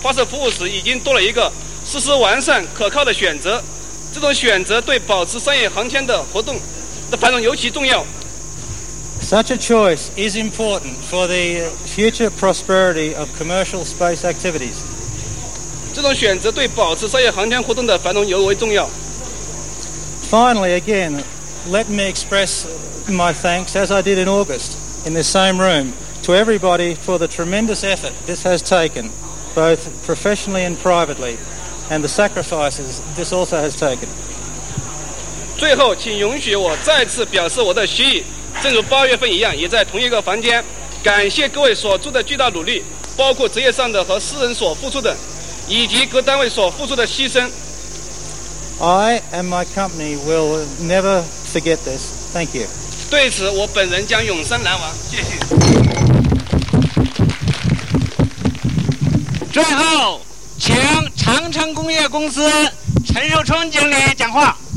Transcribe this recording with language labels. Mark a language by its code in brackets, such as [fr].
[zh] 这是恰如其名的，因为在发射了亚洲一号卫星、傅利亚卫星及现在的两颗奥普图斯卫星之后，西方商业卫星的用户在选择发射服务时已经多了一个实施完善、可靠的选择。这种选择对保持商业航天的活动的繁荣尤其重要。 [en] Such a choice is important for the future prosperity of commercial space activities. [zh] 这种选择对保持商业航天活动的繁荣尤为重要。 [en] Finally, again, let me express my thanks, as I did in August, in this same room, to everybody for the tremendous effort this has taken, both professionally and privately, and the sacrifices this also has taken. [zh] 最后，请允许我再次表示我的心意。正如八月份一样，也在同一个房间，感谢各位所做的巨大努力，包括职业上的和私人所付出的，以及各单位所付出的牺牲。 [en] I and my company will never forget this. Thank you. [zh] 对此，我本人将永生难忘。谢谢。最后，请长城工业公司陈寿春经理讲话。